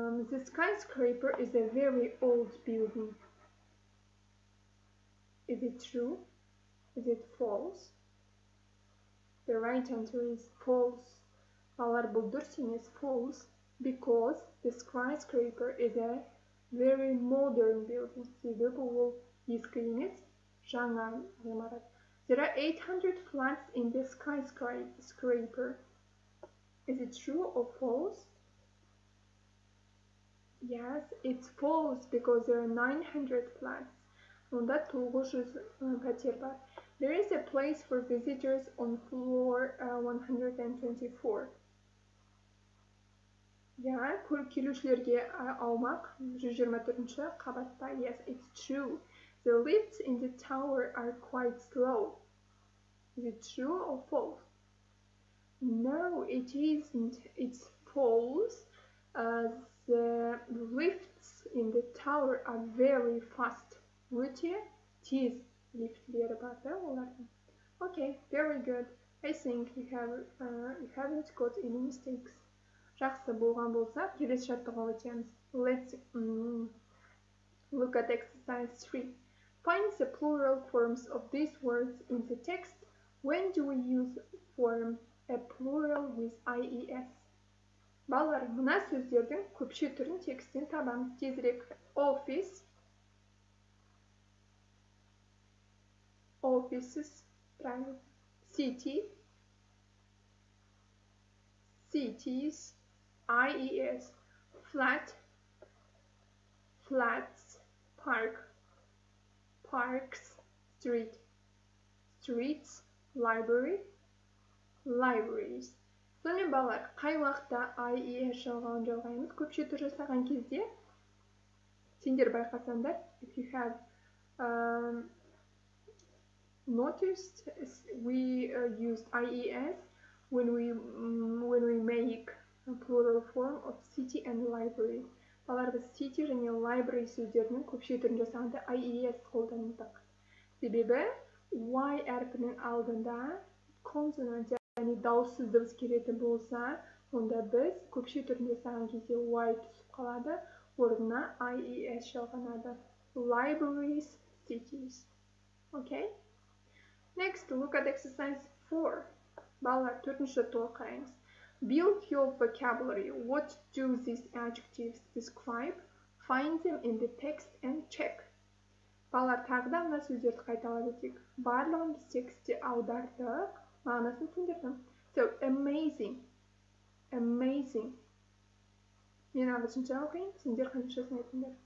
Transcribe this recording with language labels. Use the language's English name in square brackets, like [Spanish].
[English] The skyscraper is a very old building. Is it true? Is it false? The right answer is false. [Kazakh] Балалар, бұл дұрыс емес, [English] false, because the skyscraper is a very modern building. [Kazakh] Себебі ол ескі емес, жаңа ғимарат. [English] There are 800 flats in the skyscraper. Is it true or false? Yes, it's false because there are 900 flats. [Kazakh] Онда 900 пәтер бар. [English] There is a place for visitors on floor 124. Yeah, [Kazakh] келушілерге аумақ 124-ші қабатта. [English] Yes, it's true. The lifts in the tower are quite slow. Is it true or false? No, it isn't. It's false. The lifts in the tower are very fast. [Kazakh] Өте тез лифтлері бар да олардың. [English] Okay, very good. I think you haven't got any mistakes. [Kazakh] Жақсы болған болса, келесі жаттығуға өтеміз. [English] Let's look at exercise 3. Find the plural forms of these words in the text. When do we use form a plural with IES? [Kazakh] Балалар, мына сөздердің көпше түрін текстен табамыз. [English] Тезірек office, offices, city, cities, IES, flat, flats, park, parks, street, streets, library, libraries. [Kazakh] Сонымен балалар, қай уақытта IES жалғауын жалғаймыз? Көпше түр жасаған кезде, сендер байқасаңдар, [English] if you have noticed, we used IES when we make a plural form of city and library. [Kazakh] Балалар, біз city және library сөздерінің көпше түрін жасағанда IES қолданыдық. Себебі, Y әрпінің алдында consonant, яғни дауыссызды біз келетін болса, онда біз көпше түрінде саған кезде Y түсіп қалады, орнына IES жалғанады. [English] Libraries, cities. Okay? Next, look at exercise 4. [Kazakh] Балалар, төртінші тоқ қараймыз. [English] Build your vocabulary. What do these adjectives describe? Find them in the text and check. [Kazakh] Балалар, тағы да мына сөздерді қайталап өтейік. Барлығын біз текстте аудардық. Мағанасын түсіндірдім. [English] So, amazing. Amazing. [Kazakh] Мен ағылшынша оқиын, сендер қазақшасын айтыңдар.